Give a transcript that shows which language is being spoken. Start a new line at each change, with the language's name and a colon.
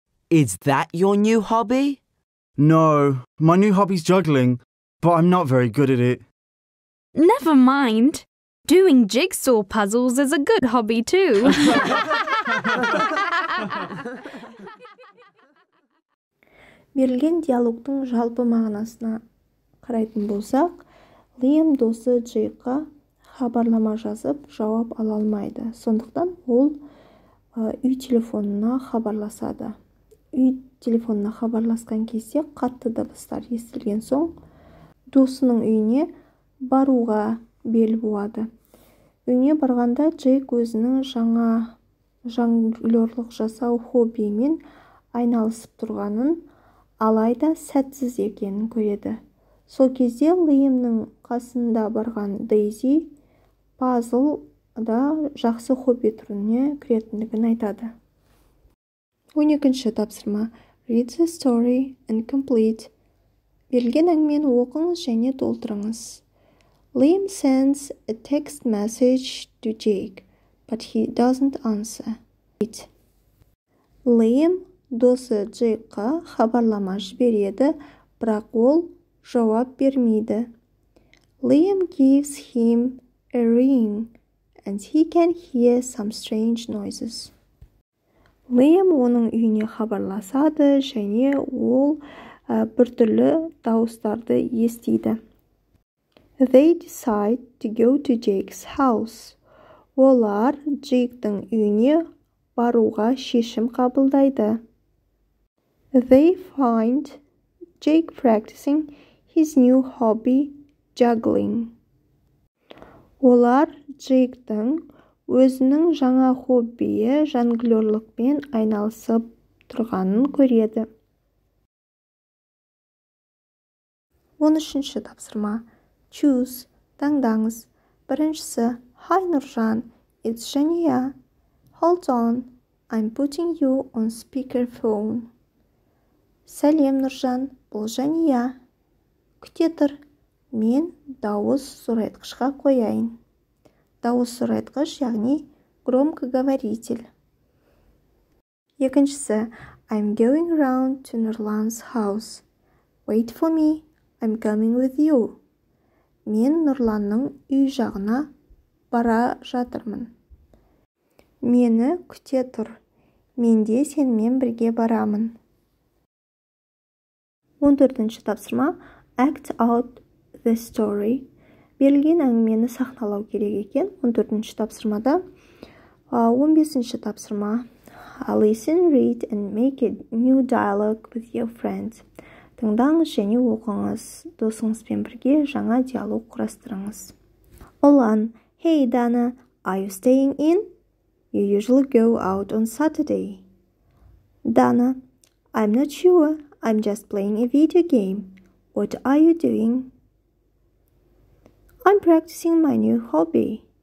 English: Is that your new hobby? No, my new hobby's juggling, but I'm not very good at it. Never mind. Doing jigsaw puzzles is a good hobby too.
Kazakh: Берілген диалогтың жалпы мағынасына қарайтын болсақ, Лиам досы Джейкқа хабарлама жазып, жауап ала алмайды. Сондықтан ол үй телефонына хабарласады. Үй телефонына хабарласқан кезде қатты дыбыстар естілген соң, досының үйіне баруға бел буады. Үйіне барғанда Джейк өзінің жаңа жонглерлық жасау хоббиімен айналысып тұрғанын, алайда сәтсіз екенін көреді. Сол кезде Лиамның қасында барған Дейзи пазл да жақсы хобби түріне кіретіндігін айтады. 12-ші тапсырма.
English: Read the story and complete.
Kazakh: Берілген әңгімені оқыңыз және толтырыңыз.
English: Liam sends a text message to Jake, but he doesn't answer it.
Kazakh: Liam досы Джейкқа хабарлама жібереді, бірақ ол жауап бермейді.
English: Liam gives him a ring and he can hear some strange noises.
Kazakh: Liam оның үйіне хабарласады және ол біртүрлі дауыстарды естиді.
English: They decide to go to Jake's house.
Kazakh: Олар Джейктің үйіне баруға шешім қабылдайды.
English: They find Jake practicing his new hobby, juggling.
Kazakh: Олар Джейктің өзінің жаңа хоббиі жонглерлікпен айналысып тұрғанын көреді. 13-ші тапсырма.
English: Choose.
Kazakh: Таңдаңыз. Біріншісі.
English: Hi, Nurjan. It's Shania. Hold on. I'm putting you on speakerphone.
Kazakh: Сәлем, Нұржан. Бұл Жания. Күте тұр. Мен дауыс зорайтқышқа қояйын. Дауыс зорайтқыш, яғни громкоговоритель. Екіншісі.
English: I'm going round to Nurlan's house. Wait for me. I'm coming with you.
Kazakh: Мен Нұрланның үй жағына бара жатырмын. Мені күте тұр. Менде сенмен бірге барамын. 14-ші тапсырма.
English: Act out the story.
Kazakh: Берілген әңгімені сахналау керек екен. 14-ші тапсырмада. 15-ші тапсырма.
English: Listen, read and make a new dialogue with your friends.
Kazakh: Тыңдаңыз және оқыңыз. Досыңызбен бірге жаңа диалог құрастырыңыз.
English: Олан, hey, Дана, are you staying in? You usually go out on Saturday. Дана, I'm not sure. I'm just playing a video game. What are you doing? I'm practicing my new hobby.